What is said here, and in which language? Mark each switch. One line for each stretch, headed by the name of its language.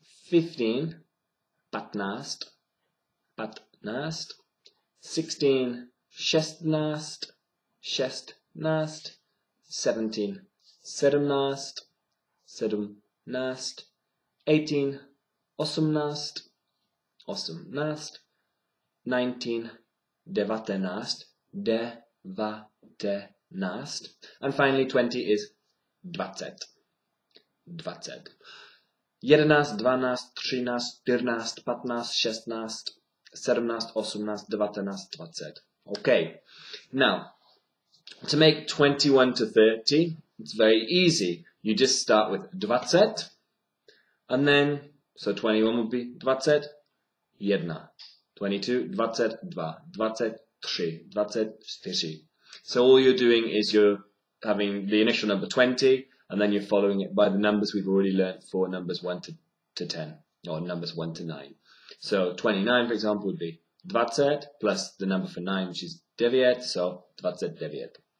Czech: 15, patnáct, patnáct, 16, šestnáct, šestnáct, 17, sedmnáct, sedmnáct, 18, osmnáct, osmnáct, 19, devatenáct, devatenáct,
English: and finally 20 is
Czech: dvacet, dvacet. Jedenáct, dvanáct, třináct, čtrnáct, patnáct, šestnáct, sedmnáct, osmnáct, devatenáct, dvacet.
English: Okay, now, to make 21 to 30, it's very easy. You just start with dvacet, and then, so 21 would be
Czech: dvacet, jedna. 22, dvacet, dva, dvacet, tři, dvacet, čtyři.
English: So all you're doing is you're having the initial number 20, and then you're following it by the numbers we've already learned for numbers 1 to 10, or numbers 1 to 9. So 29, for example, would be dvacet plus the number for 9, which is devět, so
Czech: dvacet devět.